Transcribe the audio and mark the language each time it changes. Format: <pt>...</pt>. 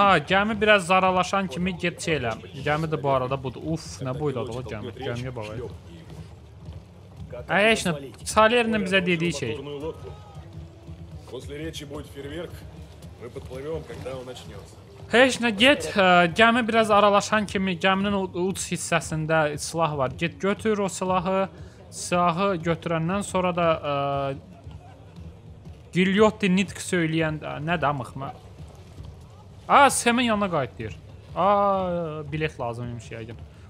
<az>Gəmi biraz zaralaşan kimi get çeyləm. Gəmi də bu arada budur. Uff, nə boydadır o gəmi. Gəmiyə bağlayıq.</az> <ru>А ясно, с Халерным за дедичей. После речи будет фейерверк, мы подплывем, когда он начнется.</ru> <az>Heç nə, get, gəmi biraz aralaşan kimi gəminin uç hissəsində silah var. Get götür o silahı, silahı götürəndən sonra da Giliotti nitq söyləyən, nə damıq mə? Aa, Sam'ın yanına qayıt deyir. Aa, bilet lazım imiş yəqin.</az>